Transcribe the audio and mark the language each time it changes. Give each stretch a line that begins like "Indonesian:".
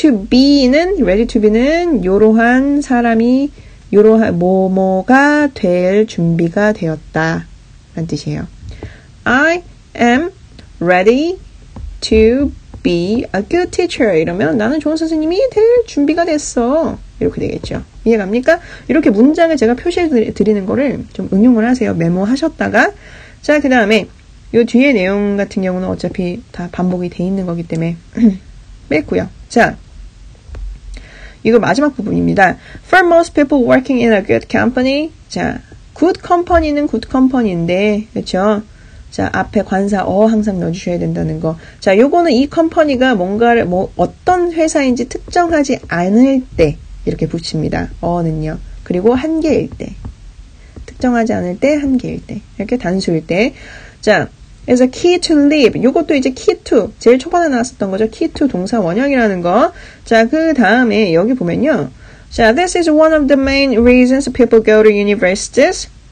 English: Ready to be
Korean: 는 이러한 사람이 이러한 뭐뭐가 될 준비가 되었다 라는 뜻이에요.
English: I am ready to be a good teacher.
Korean: 이러면 나는 좋은 선생님이 될 준비가 됐어. 이렇게 되겠죠. 이해갑니까? 이렇게 문장을 제가 표시해드리는 거를 좀 응용을 하세요. 메모하셨다가. 자, 그 다음에 요 뒤에 내용 같은 경우는 어차피 다 반복이 돼 있는 거기 때문에 뺐고요. 자, 이거 마지막 부분입니다.
English: For most people working in a good company, 자, good company는 good company인데,
Korean: 그렇죠? 자, 앞에 관사 항상 넣어주셔야 된다는 거. 자, 요거는 이 컴퍼니가 뭔가를 뭐 어떤 회사인지 특정하지 않을 때 이렇게 붙입니다. 어는요. 그리고 한계일 때. 특정하지 않을 때, 한계일 때. 이렇게 단수일 때. 자,
English: is a key to live.
Korean: 요것도 이제
English: key to.
Korean: 제일 초반에 나왔었던 거죠. key to 동사 원형이라는 거. 자, 그 다음에 여기 보면요.
English: 자, this is one of the main reasons people go to universities.